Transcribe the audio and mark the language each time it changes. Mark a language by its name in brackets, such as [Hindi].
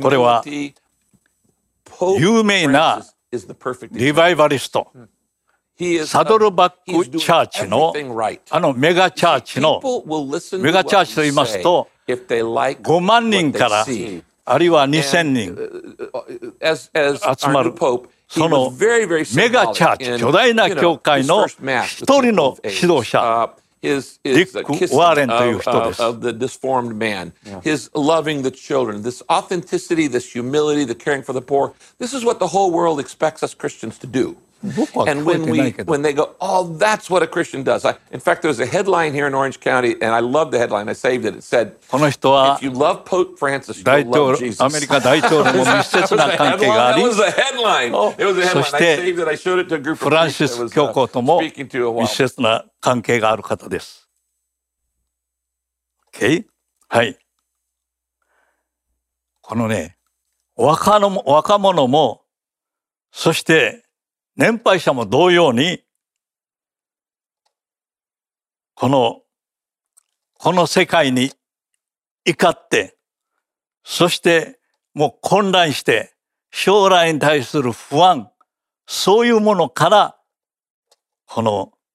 [Japanese] これは有名なリバイバリスト、サドルバックチャーチの、あのメガチャーチの、メガチャーチと言いますと、5万人からあるいは2000人集まる、そのメガチャーチ、巨大な教会の一人の指導者、ディック・ウォーレンという人です。 [English] Of the disformed man, his loving the children, this authenticity, this humility, the caring for the poor, this is what the whole world expects us Christians to do. And when they go, oh, that's what a Christian does. In fact, there's a headline here in Orange County, and I love the headline. I saved it. It said, "If you love Pope Francis, you love Jesus." [Japanese] America 大統領も密接な関係があり。 [English] It was a headline. It was a headline. I saved it. I showed it to a group of people. [Japanese] フランシス教皇とも密接な関係がある方です。 Okay? はい。このね、若者も、そして年配者も同様に、この世界に怒って、そしてもう混乱して、将来に対する不安、そういうものから、この